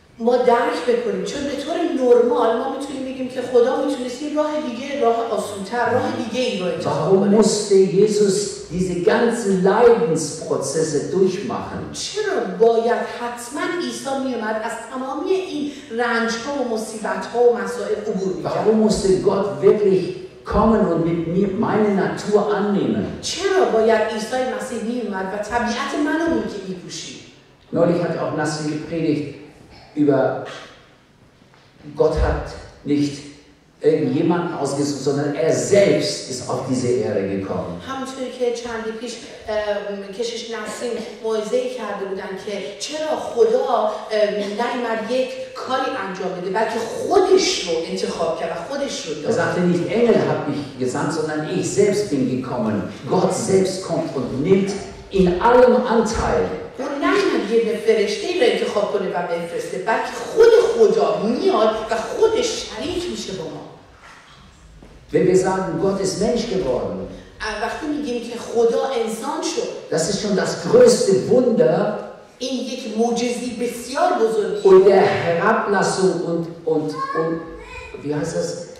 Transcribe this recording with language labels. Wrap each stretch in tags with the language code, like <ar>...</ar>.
<fa>ما درک بکنیم چون به طور نرمال ما میتونیم بگیم که خدا میتونست یه راه دیگه راه آسان‌تر راه دیگه ای رو انتخاب کنه.</fa> <de>Warum musste Jesus diese ganzen Leidensprozesse durchmachen?</de> <fa>چرا باید حتما عیسی میومد از تمامی این رنج‌ها و مصیبت‌ها و مسائل عبور می‌کرد؟</fa> <de>Warum musste Gott wirklich kommen und mit mir meine Natur annehmen?</de> <fa>چرا باید عیسی مسیح میومد و طبیعت منو می‌گیری پوشی؟</fa> <de>Neulich hat auch Nassim gepredigt über Gott hat nicht irgendjemanden ausgesucht, sondern er selbst ist auf diese Erde gekommen.</de> <fa>همونطوری که چندی پیش کشیش نسیم موعظه کرده بودن که چرا خدا نیامد یک کاری انجام بده بلکه خودش رو انتخاب کرد و خودش رو داد.</fa> <de>Er sagte nicht Engel hat mich gesandt, sondern ich selbst bin gekommen. Gott selbst kommt und nimmt in allem Anteil.</de> <fa>یه فرشته رو انتخاب کنه و بفرسته بلکه خود خدا میاد و خودش شریک میشه با ما.</fa> <de>Wenn wir sagen, Gott ist Mensch geworden.</de> <fa>وقتی میگیم که خدا انسان شد.</fa> <de>Das ist schon das größte Wunder.</de> <fa>این یک معجزه بسیار بزرگه.</fa> <de>Und der Herablassung und wie heißt das?</de>